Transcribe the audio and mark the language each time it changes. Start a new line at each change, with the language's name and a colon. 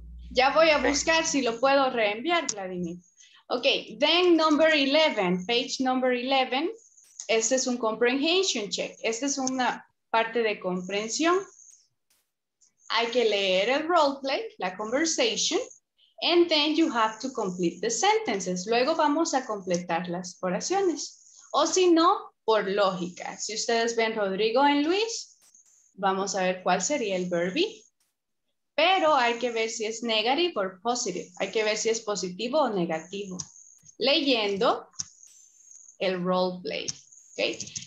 Spanish: Ya voy a buscar si lo puedo reenviar, Vladimir.
English: Okay, then number 11, page number 11.
Spanish: Este es un comprehension check. Esta es una parte de comprensión. Hay que leer el role play, la conversation,
English: And then you have to complete the sentences.
Spanish: Luego vamos a completar las oraciones. O si no, por lógica. Si ustedes ven Rodrigo en Luis, vamos a ver cuál sería el verb. Pero hay que ver si es
English: negative or positive.
Spanish: Hay que ver si es positivo o negativo. Leyendo el role play. Okay.